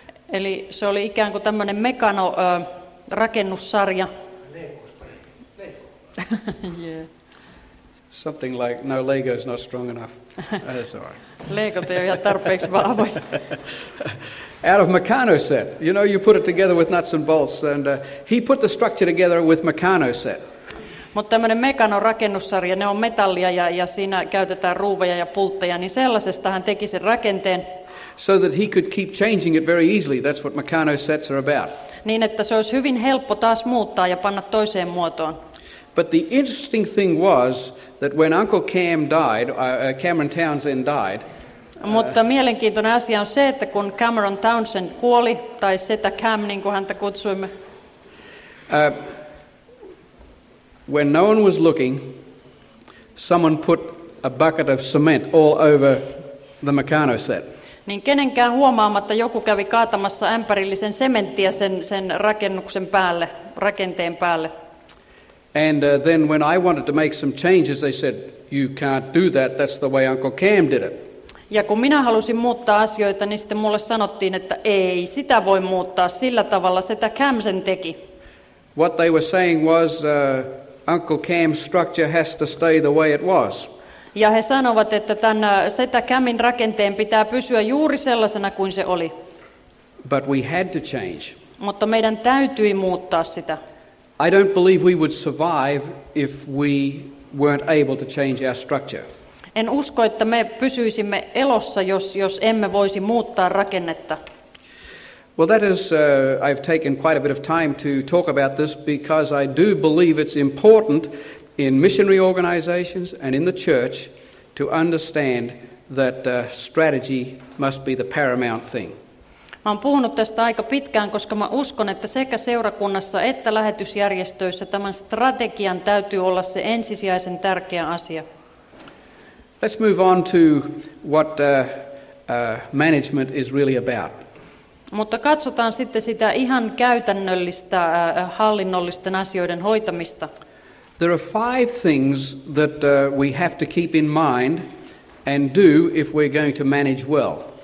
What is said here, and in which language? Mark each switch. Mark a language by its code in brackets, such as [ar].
[fi] Eli se oli ikään kuin tämmöinen Meccano rakennussarja. Lego. [en] Something like, no, Lego is not strong enough. [fi] Legot ei ole ihan tarpeeksi vahvoja. [en] Out of Meccano set. You know, you put it together with nuts and bolts. And he put the structure together with Meccano set. [fi] Mutta tämmöinen Meccano rakennussarja, ne on metallia ja siinä käytetään ruuveja ja pultteja, niin sellaisesta hän teki sen rakenteen. [en] So that he could keep changing it very easily. That's what Meccano sets are about. [fi] niin että se olisi hyvin helppo taas muuttaa ja panna toiseen muotoon. [en] But the interesting thing was that when Uncle Cam died, Cameron Townsend died. [fi] Mutta mielenkiintoinen asia on se, että kun Cameron Townsend kuoli, tai setä Cam, niin kuin häntä kutsuimme. [en] When no one was looking, someone put a bucket of cement all over the Meccano set. [fi] Niin kenenkään huomaamatta joku kävi kaatamassa ämpärillisen sementtiä sen rakennuksen päälle, rakenteen päälle. [en] And then when I wanted to make some changes, they said, you can't do that, that's the way Uncle Cam did it. [fi] Ja kun minä halusin muuttaa asioita, niin sitten mulle sanottiin, että ei, sitä voi muuttaa sillä tavalla, sitä Cam sen teki. [en] What they were saying was, Uncle Cam's structure has to stay the way it was. [fi] Ja he sanovat, että tämän setä Camin rakenteen pitää pysyä juuri sellaisena kuin se oli. [en] But we had to change. [fi] Mutta meidän täytyi muuttaa sitä. [en] I don't believe we would survive if we weren't able to change our structure. [fi] En usko, että me pysyisimme elossa, jos emme voisi muuttaa rakennetta. [en] Well, that is, I've taken quite a bit of time to talk about this because I do believe it's important in missionary organizations and in the church to understand that strategy must be the paramount thing. [fi] Mä oon puhunut tästä aika pitkään, koska mä uskon, että sekä seurakunnassa että lähetysjärjestöissä tämän strategian täytyy olla se ensisijaisen tärkeä asia. [en] Let's move on to what management is really about. [fi] Mutta katsotaan sitten sitä ihan käytännöllistä hallinnollisten asioiden hoitamista. [en] There are five things that we have to keep in mind and do if we're going to manage well.